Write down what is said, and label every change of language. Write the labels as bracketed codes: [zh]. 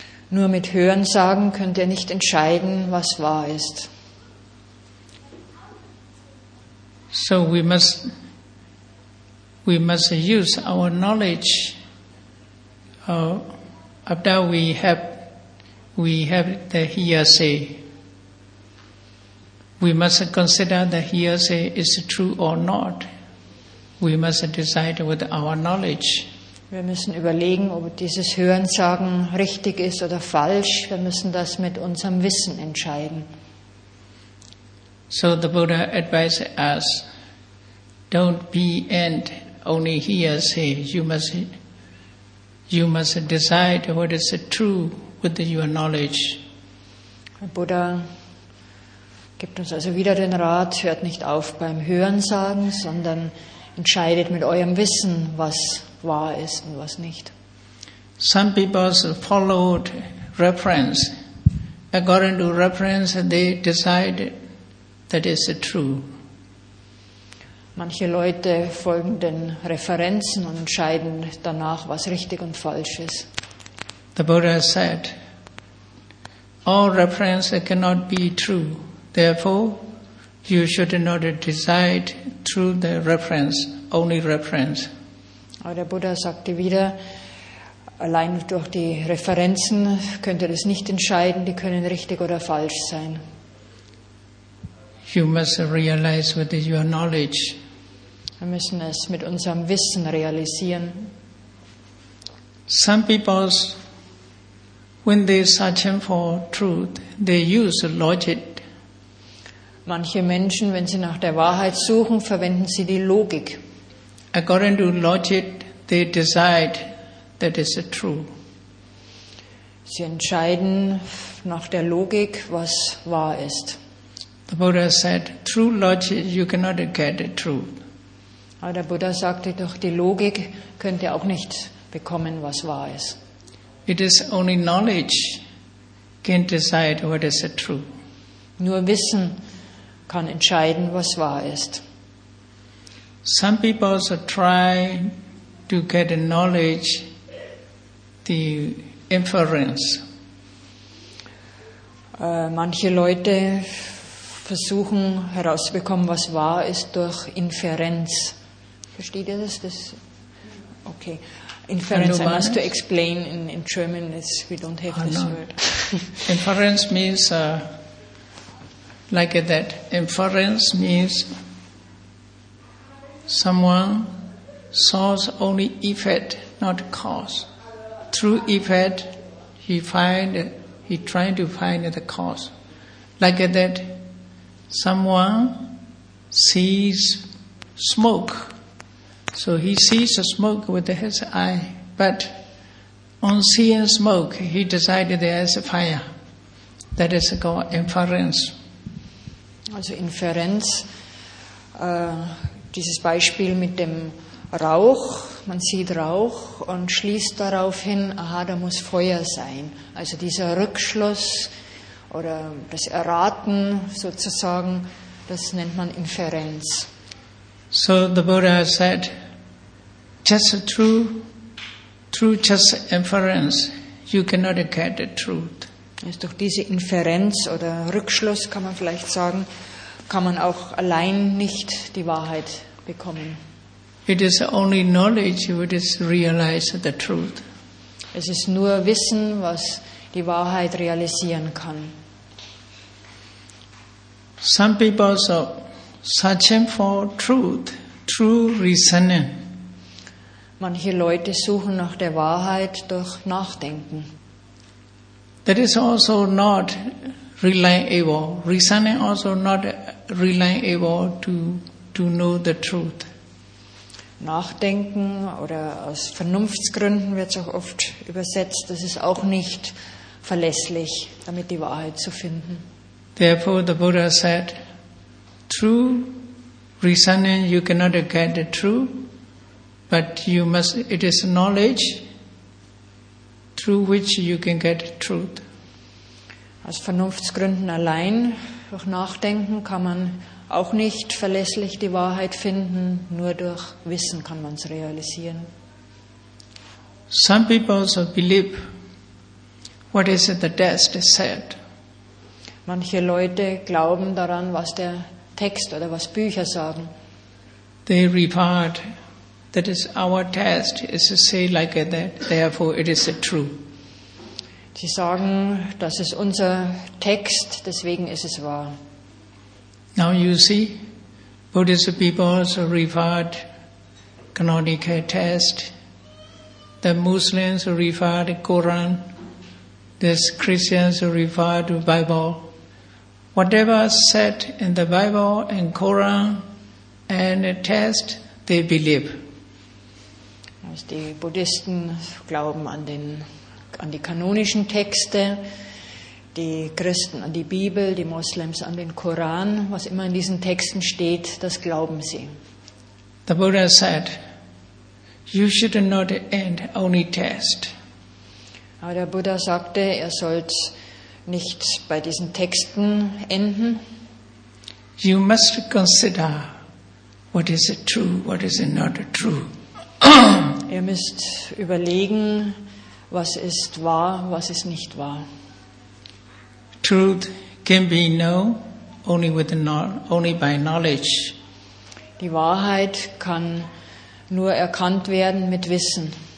[de] Nur mit Hörensagen könnt ihr nicht entscheiden, was wahr ist. [en] So we must use our knowledge after we have the hearsay. We must consider the hearsay is true or not. We must decide with our knowledge. [de] Wir müssen überlegen, ob dieses Hörensagen richtig ist oder falsch. Wir müssen das mit unserem Wissen entscheiden. [en] So the Buddha advised us, don't be and only hearsay. You must decide what is true with your knowledge. [de] Der Buddha gibt uns also wieder den Rat, hört nicht auf beim Hörensagen, sondern entscheidet mit eurem Wissen, was wahr ist und was nicht. [en] Some people followed reference. According to reference, they decide that is true. [de] Manche Leute folgen den Referenzen und entscheiden danach, was richtig und falsch ist. [en] The Buddha said, all references cannot be true. Therefore, you should not decide through the reference, only reference. [de] Aber der Buddha sagte wieder, allein durch die Referenzen könnt ihr das nicht entscheiden, die können richtig oder falsch sein. [en] You must realize with your knowledge. [de] Wir müssen es mit unserem Wissen realisieren. [en] Some people, when they search for truth, they use logic. [de] Manche Menschen, wenn sie nach der Wahrheit suchen, verwenden sie die Logik. [en] According to logic, they decide that is true. [de] Sie entscheiden nach der Logik, was wahr ist. [en] The Buddha said, through logic, you cannot get the truth. [de] Aber der Buddha sagte, durch die Logik könnt ihr auch nicht bekommen, was wahr ist. [en] It is only knowledge. can decide what is true. [de] Nur Wissen kann entscheiden, was wahr ist. [en] Some people also try to get the knowledge, the inference. [de] Manche Leute versuchen herauszubekommen, was wahr ist, durch Inferenz. Versteht ihr das? Das okay. [en] Inference, I must to explain in German, is we don't have this word. Inference means, like that, inference means someone saw only effect, not cause. Through effect, he tried to find the cause. Like that, someone sees smoke. So he sees the smoke with his eye, but on seeing smoke, he decided there is a fire. That is called inference. [de] Also Inferenz. Dieses Beispiel mit dem Rauch. Man sieht Rauch und schließt daraufhin, aha, da muss Feuer sein. Also dieser Rückschluss oder das Erraten sozusagen, das nennt man Inferenz. [en] So the Buddha said, just through just inference, you cannot get the truth. [de] Also durch diese Inferenz oder Rückschluss, kann man vielleicht sagen, kann man auch allein nicht die Wahrheit bekommen. [en] It is only knowledge which realizes the truth. [de] Es ist nur Wissen, was die Wahrheit realisieren kann. [en] Some people also searching for truth through reasoning. [de] Manche Leute suchen nach der Wahrheit durch Nachdenken. [en] That is also not reliable. Reasoning also not reliable to know the truth. [de] Nachdenken oder aus Vernunftsgründen wird es auch oft übersetzt. Das ist auch nicht verlässlich, damit die Wahrheit zu finden. [en] Therefore the Buddha said, through reasoning you cannot get the truth. But you must. It is knowledge through which you can get truth. [de] Aus Vernunftsgründen allein, durch Nachdenken kann man auch nicht verlässlich die Wahrheit finden. Nur durch Wissen kann man es realisieren. [en] Some people also believe what is the text said. [de] Manche Leute glauben daran, was der Text oder was Bücher sagen. [en] They regard that is our test, is to say like that, therefore it is true. [de] Sie sagen, das ist unser Text, deswegen ist es wahr. [en] Now you see, Buddhist people also referred canonical test. The Muslims referred Quran. The Christians referred Bible. Whatever said in the Bible and Quran and the test, they believe. [de] Die Buddhisten glauben an die kanonischen Texte, die Christen an die Bibel, die Moslems an den Koran. Was immer in diesen Texten steht, das glauben sie. [en] The Buddha said, you should not end only test. [de] Aber der Buddha sagte, er soll nicht bei diesen Texten enden. [en] You must consider what is true, what is not true. [de] Ihr müsst überlegen, was ist wahr, was ist nicht wahr. [en] Truth can be known only by knowledge. [de] Die Wahrheit kann nur erkannt werden mit Wissen.